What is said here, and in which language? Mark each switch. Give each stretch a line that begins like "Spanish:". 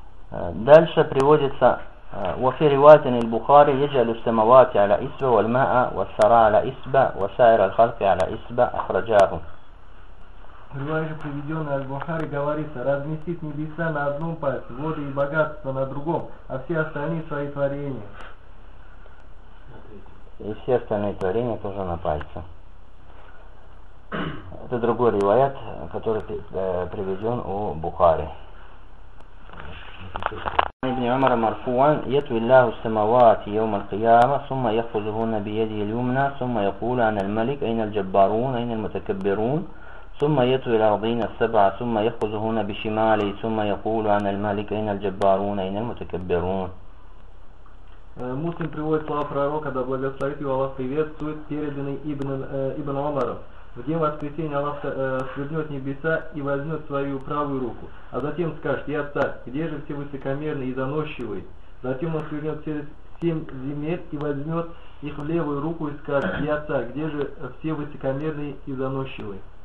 Russian: Дальше приводится
Arabic: وفي رواية البخاري يجعل السماوات على إسبة والماء والسراء على إسبة وسائر الخلق على إسبة أخرجاه.
Russian: رواية приведённая от Бухари говорится: разместит небеса на одном пальце, воды и богатство на другом, а все остальные свои творения. И все остальные творения тоже на пальце. Это другой риваят, который приведён у Бухари.
Arabic: ابن عمر مرفوعا يطوي الله السماوات يوم القيامة ثم يخرجهن بيده اليمنى ثم يقول أنا الملك أين الجبارون أين المتكبرون ثم يطوي الأرضين السبع ثم يخرجهن بشماله ثم يقول أنا الملك أين الجبارون أين المتكبرون.
Russian: Муслим приводит слова пророка, да благословит его Аллах, приветствует переданный Ибн Омаром. В день воскресения Аллах свернет небеса и возьмет свою правую руку, а затем скажет: «Я царь, где же все высокомерные и заносчивые?» Затем он свернет все семь земель и возьмет их в левую руку и скажет: «Я царь, где же все высокомерные и заносчивые?»